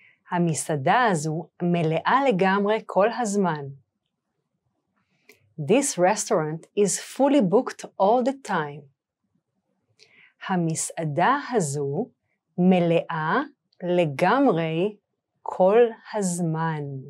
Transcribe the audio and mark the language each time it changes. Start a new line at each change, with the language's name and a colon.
Hebrew: המסעדה הזו מלאה לגמרי כל הזמן.
English: This restaurant is fully booked all the time.
Hebrew: המסעדה הזו מלאה לגמרי כל הזמן.